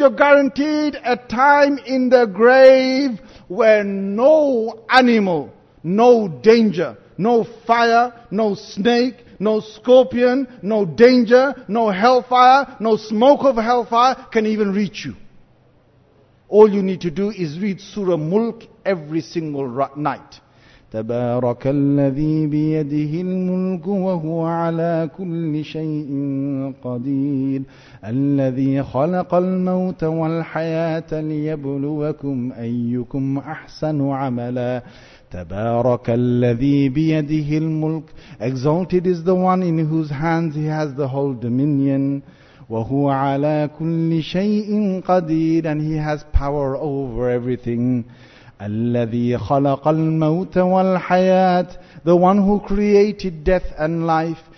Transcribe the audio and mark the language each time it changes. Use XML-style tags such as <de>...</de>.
<en>You're guaranteed a time in the grave where no animal, no danger, no fire, no snake, no scorpion, no danger, no hellfire, no smoke of hellfire can even reach you. All you need to do is read Surah Mulk every single night.</en> <ar>تبارك الذي بيده الملك وهو على كل شيء قدير الذي خلق الموت والحياة ليبلوكم أيكم أحسن عملا تبارك الذي بيده الملك.</ar> <en>Exalted is the one in whose hands he has the whole dominion.</en> <ar>وهو على كل شيء قدير,</ar> <en>and he has power over everything.</en> <ar>الَّذِي خَلَقَ الْمَوْتَ وَالْحَيَاةِ,</ar> <en>the one who created death and life.</en>